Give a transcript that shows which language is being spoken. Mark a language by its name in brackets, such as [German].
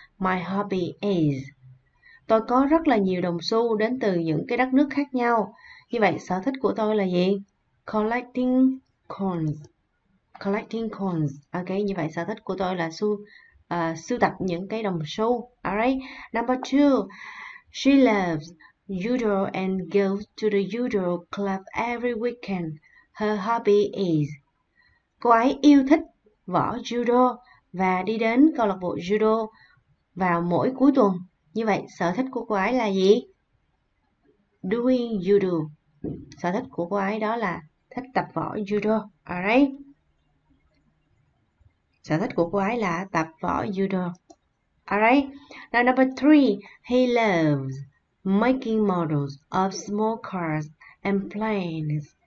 [English] My hobby is... [Vietnamese] Tôi có rất là nhiều đồng xu đến từ những cái đất nước khác nhau. Như vậy, sở thích của tôi là gì? [English] Collecting coins. Collecting coins. [Vietnamese] Ok, như vậy sở thích của tôi là sưu tập những cái đồng xu. [English] Alright. Number two. She loves judo and goes to the judo club every weekend. Her hobby is... [Vietnamese] Cô ấy yêu thích võ judo và đi đến câu lạc bộ judo vào mỗi cuối tuần. Như vậy, sở thích của cô ấy là gì? [English] Doing judo. [Vietnamese] Sở thích của cô ấy đó là thích tập võ judo. Alright. Sở thích của cô ấy là tập võ judo. [English] Alright. Now, number three. He loves making models of small cars and planes.